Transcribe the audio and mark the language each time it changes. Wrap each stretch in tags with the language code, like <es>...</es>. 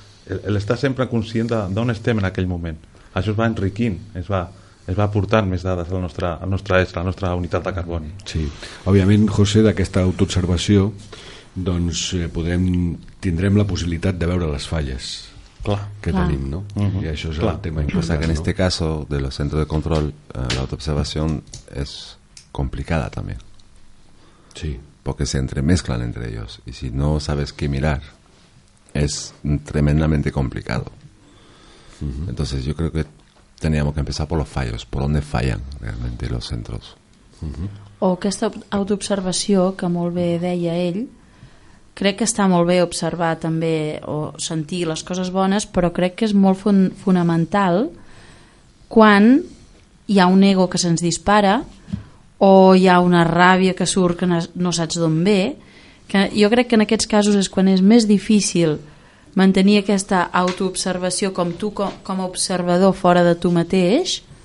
<ca>El estar sempre conscient d'on estem en aquell moment. Això es va enriquint, es va aportant més dades a la nostra unitat de carboni. Sí, òbviament, José, d'aquesta autoobservació doncs tindrem la possibilitat de veure les falles.</ca> <es>Claro. Que claro. Tenim, ¿no? Uh-huh. Y eso es claro. El tema importante. O sea, que en este caso de los centros de control, la autoobservación es complicada también. Sí. Porque se entremezclan entre ellos. Y si no sabes qué mirar, es tremendamente complicado. Uh-huh. Entonces yo creo que teníamos que empezar por los fallos, por dónde fallan realmente los centros.</es> <ca>Uh-huh. O aquesta autoobservació, que molt bé deia ell, crec que està molt bé observar també o sentir les coses bones, però crec que és molt fonamental quan hi ha un ego que se'ns dispara o hi ha una ràbia que surt que no saps d'on ve, que jo crec que en aquests casos és quan és més difícil mantenir aquesta autoobservació com tu com a observador fora de tu mateix.</ca>